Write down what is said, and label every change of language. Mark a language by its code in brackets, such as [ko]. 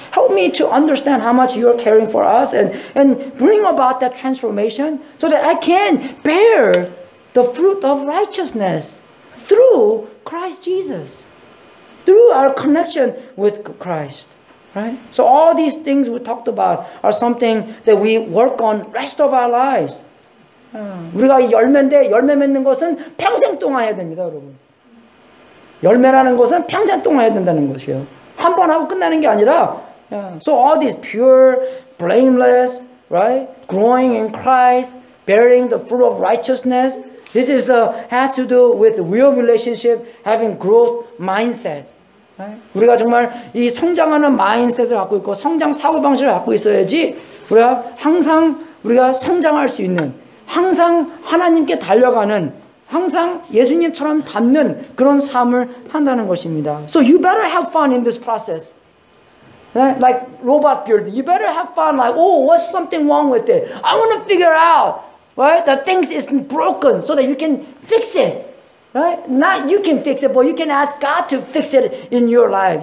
[en] Help me to understand how much you're caring for us and bring about that transformation so that I can bear the fruit of righteousness through Christ Jesus. Through our connection with Christ, right? So all these things we talked about are something that we work on rest of our lives. [ko] 우리가 열매인데 열매 맺는 것은 평생 동안 해야 됩니다, 여러분. 열매라는 것은 평생 동안 해야 된다는 것이에요. 한 번 하고 끝나는 게 아니라. [en] So all these pure, blameless, right? Growing in Christ, bearing the fruit of righteousness. This is has to do with real relationship, having growth mindset. Right? [ko] 우리가 정말 이 성장하는 마인셋을 갖고 있고 성장 사고 방식을 갖고 있어야지 우리가 항상 우리가 성장할 수 있는 항상 하나님께 달려가는 항상 예수님처럼 닮는 그런 삶을 산다는 것입니다. [en] So you better have fun in this process. Right? Like robot building. You better have fun like, oh, what's something wrong with it? I want to figure out. Right? The things is broken so that you can fix it. Right? Not you can fix it, but you can ask God to fix it in your life.